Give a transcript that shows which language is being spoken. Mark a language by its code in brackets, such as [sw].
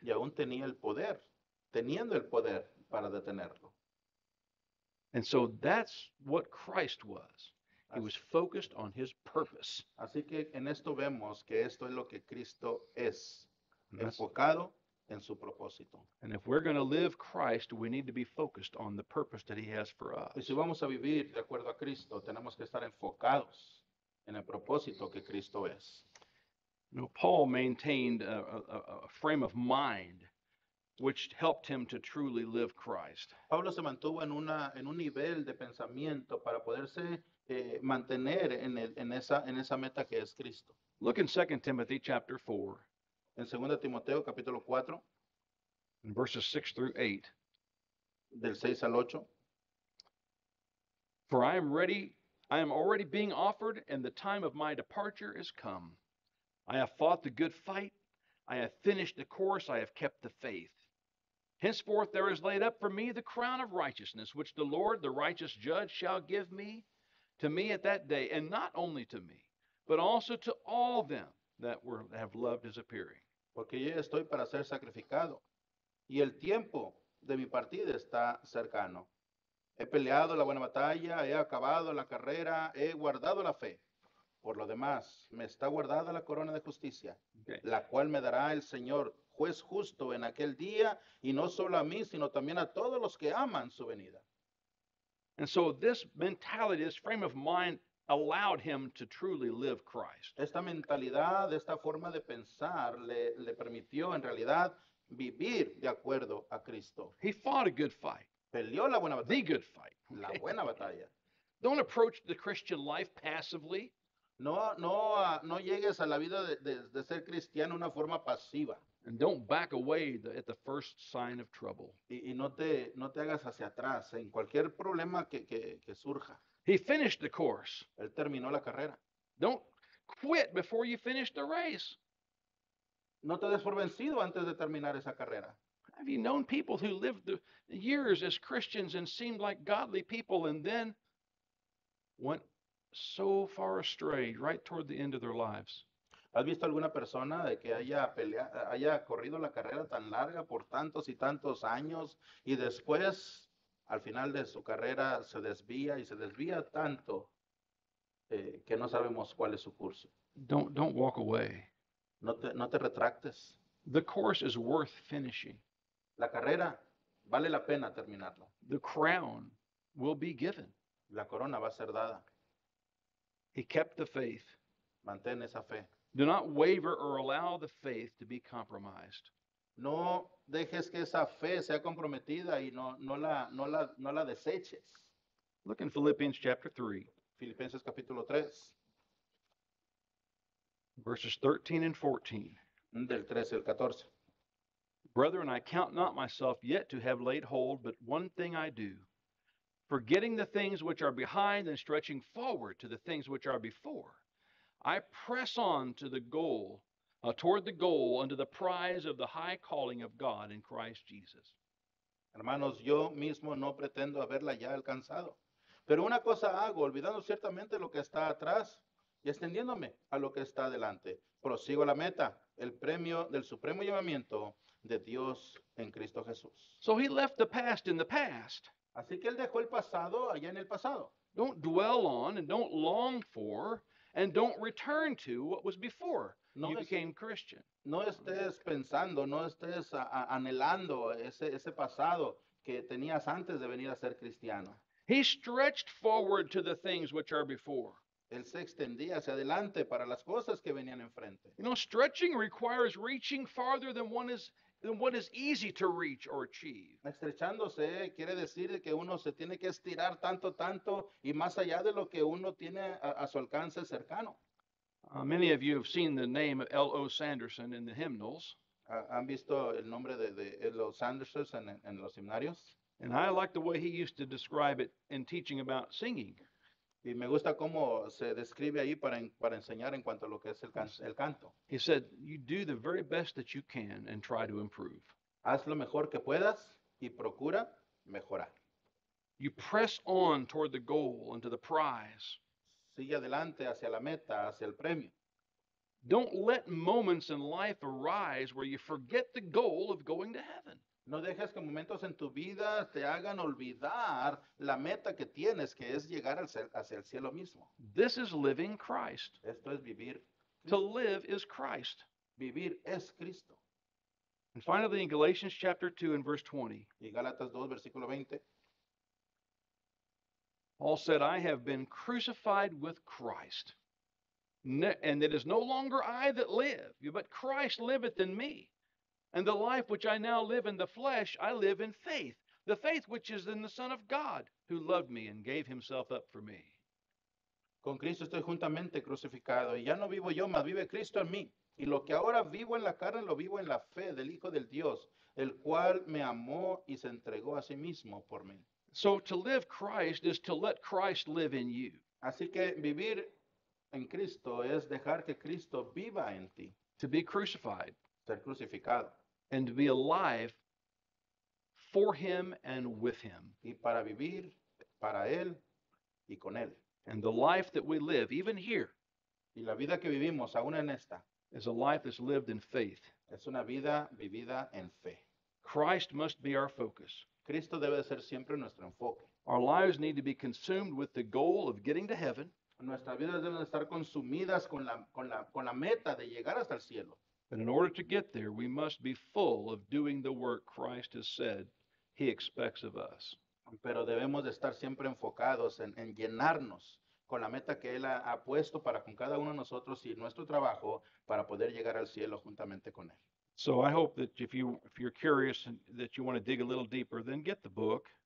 [es] Y aún tenía el poder, teniendo el poder para detenerlo. [en] And so that's what Christ was. He was focused on his purpose. [es] Así que en esto vemos que esto es lo que Cristo es, enfocado en su propósito. [en] And if we're going to live Christ, we need to be focused on the purpose that he has for us. [es] Y si vamos a vivir de acuerdo a Cristo, tenemos que estar enfocados en el propósito que Cristo es. [en] You know, Paul maintained a frame of mind which helped him to truly live Christ. [es] Pablo se mantuvo en un nivel de pensamiento para poderse mantener en esa meta que es Cristo. [en] Look in 2 Timothy chapter 4. [es] En 2 Timoteo capítulo 4. [en] In verses 6 through 8. [es] Del 6 al 8. [en] For I am ready, I am already being offered, and the time of my departure is come. I have fought the good fight, I have finished the course, I have kept the faith. Henceforth there is laid up for me the crown of righteousness, which the Lord, the righteous judge, shall give me, to me at that day, and not only to me, but also to all them that were, have loved his appearing. [es] Porque yo estoy para ser sacrificado, y el tiempo de mi partida está cercano. He peleado la buena batalla, he acabado la carrera, he guardado la fe. Por lo demás, me está guardada la corona de justicia, okay, la cual me dará el Señor, juez justo en aquel día, y no solo a mí, sino también a todos los que aman su venida. [en] And so this mentality, this frame of mind, allowed him to truly live Christ. [es] Esta mentalidad, esta forma de pensar, le permitió en realidad vivir de acuerdo a Cristo. [en] He fought a good fight. [es] Peleó la buena batalla. [en] The good fight. [es] La buena batalla. [en] Don't approach the Christian life passively. [es] No llegues a la vida de ser cristiano una forma pasiva. [en] And don't back away at the first sign of trouble. [es] Y no te hagas hacia atrás en cualquier problema que surja. [en] He finished the course. [es] Él terminó la carrera. [en] Don't quit before you finish the race. [es] No te des por vencido antes de terminar esa carrera. [en] Have you known people who lived years as Christians and seemed like godly people and then went so far astray right toward the end of their lives? [es] ¿Has visto alguna persona de que haya corrido la carrera tan larga por tantos y tantos años y después, al final de su carrera, se desvía y se desvía tanto que no sabemos cuál es su curso? [en] Don't walk away. [es] No te retractes. [en] The course is worth finishing. [es] La carrera vale la pena terminarlo. [en] The crown will be given. [es] La corona va a ser dada. [en] He kept the faith. [es] Mantén esa fe. [en] Do not waver or allow the faith to be compromised. [es] No dejes que esa fe sea comprometida y no la deseches. [en] Look in Philippians chapter 3. [es] Filipenses capítulo 3. [en] Verses 13 and 14. [es] Del 13 al 14. [en] Brethren, I count not myself yet to have laid hold, but one thing I do, forgetting the things which are behind and stretching forward to the things which are before, I press on to the goal, toward the goal, unto the prize of the high calling of God in Christ Jesus. [es] Hermanos, yo mismo no pretendo haberla ya alcanzado, pero una cosa hago, olvidando ciertamente lo que está atrás y extendiéndome a lo que está delante. Prosigo la meta, el premio del supremo llamamiento de Dios en Cristo Jesús. [en] So he left the past in the past. [es] Así que él dejó el pasado allá en el pasado. [en] Don't dwell on and don't long for and don't return to what was before you became Christian. [es] No estés pensando, no estés anhelando ese pasado que tenías antes de venir a ser cristiano. [en] He stretched forward to the things which are before. [es] Él se extendía hacia adelante para las cosas que venían enfrente. [en] You know, stretching requires reaching farther than what is easy to reach or achieve. [es] Estrechándose quiere decir que uno se tiene que estirar tanto y más allá de lo que uno tiene a su alcance cercano. [en] Many of you have seen the name of L.O. Sanderson in the hymnals. [es] ¿Han visto el nombre de L.O. Sanderson en los himnarios? [en] And I like the way he used to describe it in teaching about singing. [es] Y me gusta cómo se describe ahí para enseñar en cuanto a lo que es el canto. [en] He said, you do the very best that you can and try to improve. [es] Haz lo mejor que puedas y procura mejorar. [en] You press on toward the goal and to the prize. [es] Sigue adelante hacia la meta, hacia el premio. [en] Don't let moments in life arise where you forget the goal of going to heaven. [es] No dejes que momentos en tu vida te hagan olvidar la meta que tienes, que es llegar hacia el cielo mismo. [en] This is living Christ. [es] Esto es vivir. [en] To live is Christ. [es] Vivir es Cristo. [en] And finally, in Galatians chapter 2 and verse 20. [es] Y Gálatas 2, versículo 20. [en] Paul said, I have been crucified with Christ. And it is no longer I that live, but Christ liveth in me. And the life which I now live in the flesh, I live in faith. The faith which is in the Son of God, who loved me and gave himself up for me. [es] Con Cristo estoy juntamente crucificado, y ya no vivo yo, mas vive Cristo en mí. Y lo que ahora vivo en la carne, lo vivo en la fe del Hijo del Dios, el cual me amó y se entregó a sí mismo por mí. [en] So to live Christ is to let Christ live in you. [es] Así que vivir en Cristo es dejar que Cristo viva en ti. [en] To be crucified. [es] Ser crucificado. [en] And to be alive for him and with him. [es] Y para vivir para él y con él. [en] And the life that we live, even here, [es] y la vida que vivimos, aún en esta, [en] is a life that's lived in faith. [es] Es una vida vivida en fe. [en] Christ must be our focus. [es] Cristo debe de ser siempre nuestro enfoque. [en] Our lives need to be consumed with the goal of getting to heaven. [es] Nuestras vidas deben estar consumidas con la meta de llegar hasta el cielo. [en] And in order to get there, we must be full of doing the work Christ has said he expects of us. [es] Pero debemos de estar siempre enfocados en llenarnos con la meta que él ha puesto para con cada uno de nosotros y nuestro trabajo para poder llegar al cielo juntamente con él. [en] So I hope that if you're curious and that you want to dig a little deeper, then get the book.